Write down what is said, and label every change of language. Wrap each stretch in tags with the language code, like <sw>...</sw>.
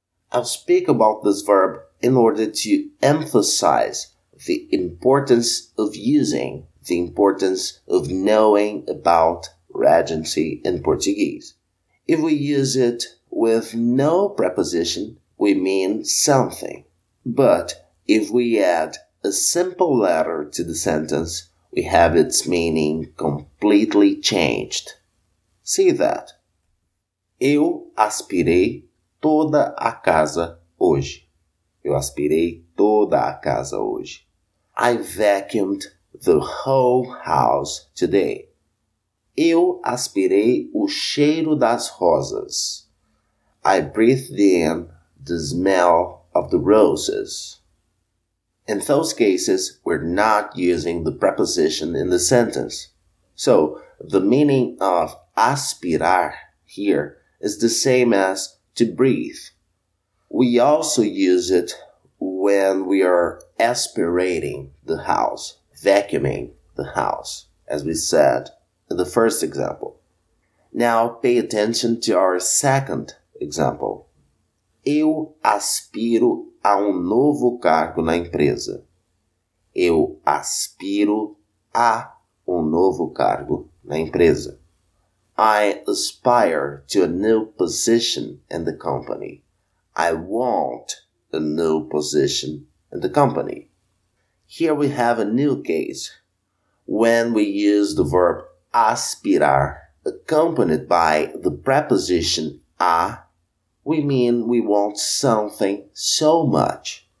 <en>I'll speak about this verb in order to emphasize the importance of using, the importance of knowing about Regency in Portuguese. If we use it with no preposition, we mean something. But if we add a simple letter to the sentence, we have its meaning completely changed. See that?</en> <pt>Eu aspirei toda a casa hoje. Eu aspirei toda a casa hoje.</pt> <en>I vacuumed the whole house today.</en> <pt>Eu aspirei o cheiro das rosas.</pt> <en>I breathed in the smell of the roses. In those cases, we're not using the preposition in the sentence. So, the meaning of aspirar here is the same as to breathe. We also use it when we are aspirating the house, vacuuming the house, as we said in the first example. Now pay attention to our second example.</en> <pt>Eu aspiro a novo cargo na empresa. Eu aspiro a novo cargo na empresa.</pt> <en>I aspire to a new position in the company. I want a new position in the company. Here we have a new case. When we use the verb aspirar accompanied by the preposition a, we mean we want something so much.</en>